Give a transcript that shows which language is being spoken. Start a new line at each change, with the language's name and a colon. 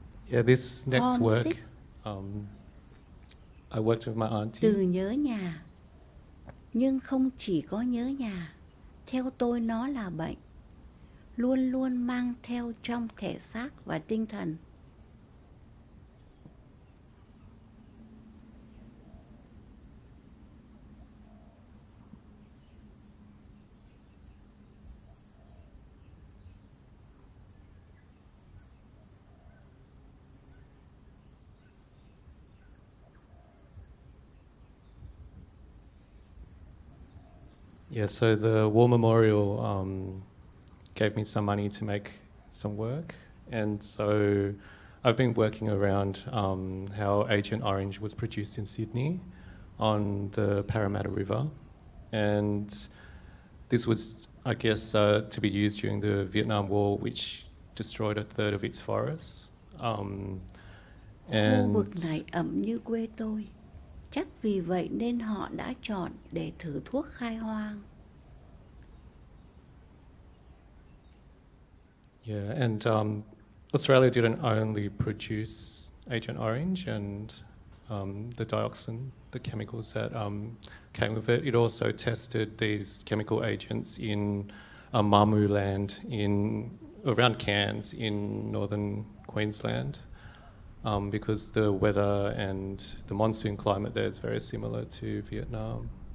English: Yeah, this next work, I worked with my auntie.
Vietnamese: Từ nhớ nhà, nhưng không chỉ có nhớ nhà, theo tôi nó là bệnh, luôn luôn mang theo trong thể xác và tinh thần.
English: Yeah, so the War Memorial gave me some money to make some work. And so I've been working around how Agent Orange was produced in Sydney on the Parramatta River. And this was, I guess, to be used during the Vietnam War, which destroyed a third of its forests.
Vietnamese: And khu vực này ẩm như quê tôi. Chắc vì vậy nên họ đã chọn để thử thuốc khai hoang.
English: Yeah, and Australia didn't only produce Agent Orange and the dioxin, the chemicals that came with it. It also tested these chemical agents in Mamu land in around Cairns in northern Queensland, because the weather and the monsoon climate there is very similar to Vietnam.